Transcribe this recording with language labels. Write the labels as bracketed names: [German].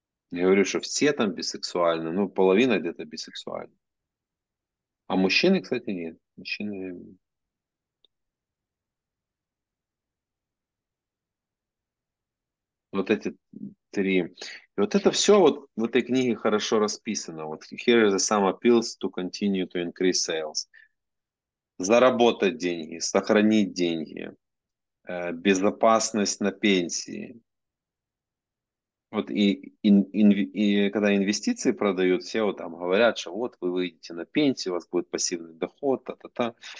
[Russian] Я говорю, что все там бисексуальны, ну, половина где-то бисексуальна. А мужчины, кстати, нет. Мужчины... Вот эти три. И вот это все вот в этой книге хорошо расписано. [English] Вот here are some appeals to continue to increase sales. [Russian] Заработать деньги, сохранить деньги, безопасность на пенсии. Вот и когда инвестиции продают, все вот там говорят, что вот вы выйдете на пенсию, у вас будет пассивный доход, та-та-та.